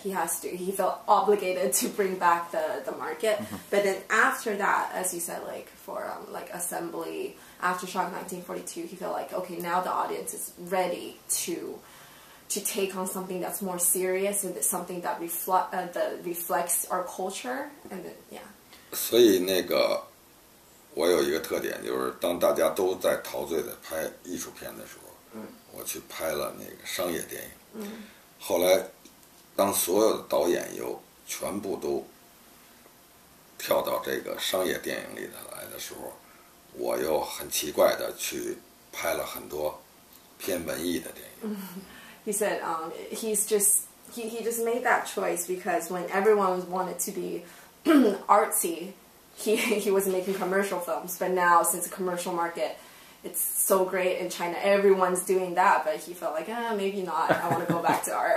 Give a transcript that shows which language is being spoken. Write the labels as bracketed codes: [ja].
[en] He felt obligated to bring back the market. Mm-hmm. But then after that, as you said, like for like assembly after Shock 1942, he felt like, okay, now the audience is ready to take on something that's more serious and something that reflects our culture. And then, yeah. [zh] 所以那个 我有一个特点，就是当大家都在陶醉的拍艺术片的时候，我去拍了那个商业电影。后来，当所有的导演又全部都跳到这个商业电影里头来的时候，我又很奇怪的去拍了很多偏文艺的电影。 [en] He said, he just made that choice because when everyone wanted to be artsy. He was making commercial films, but now since the commercial market, it's so great in China, everyone's doing that, but he felt like, maybe not, I want to go back to art.